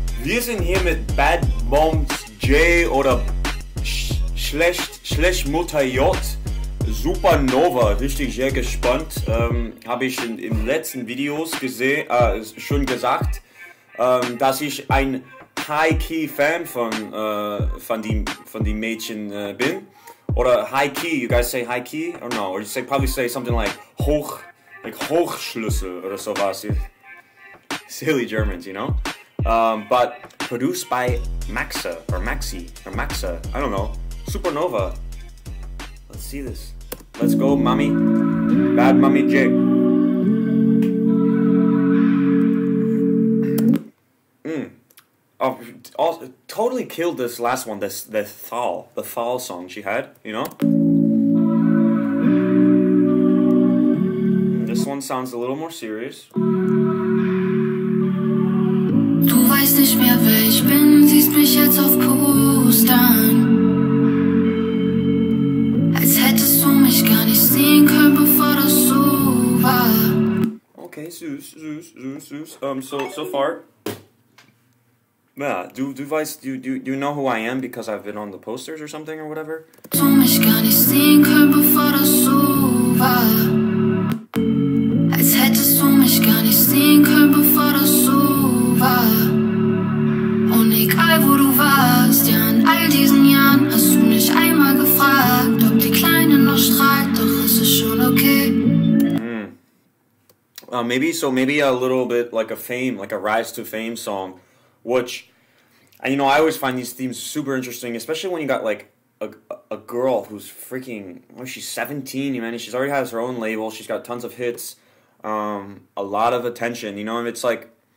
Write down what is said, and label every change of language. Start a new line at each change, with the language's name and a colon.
German: Wir sind hier mit Bad Moms J oder Schlecht Mutter J. Supernova, richtig sehr gespannt. Habe ich in letzten Videos gesehen, schon gesagt, dass ich ein High-Key-Fan von dem Mädchen bin.
English: Oder High-Key, you guys say High-Key? Or no, or you say, probably say something like Hochschlüssel
German: oder sowas.
English: Silly Germans, you know? But produced by Maxa, I don't know. Supernova. Let's see this. Let's go, mommy. Bad mommy jig. Oh, totally killed this last one, the Thal song she had, you know? This one sounds a little more serious.
German: Du weißt nicht mehr, wer ich bin, siehst mich jetzt auf Postern. Als hättest du mich gar nicht sehen können, bevor das so war.
English: Okay, süß. So far. Yeah, do you know who I am because I've been on the posters or something or whatever?
German: Du mich gar nicht sehen können, bevor das so war. Als hättest du mich gar nicht sehen können, bevor das so war. Und egal wo du warst, ja, in all diesen Jahren hast du nicht einmal gefragt, ob die Kleine noch strahlt, doch es ist schon okay.
English: Maybe a little bit like a fame, like a rise to fame song. Which, and you know, I always find these themes super interesting, especially when you got like a girl who's freaking, oh, she's 17, you know, and she's already has her own label, she's got tons of hits, a lot of attention, you know, and it's like,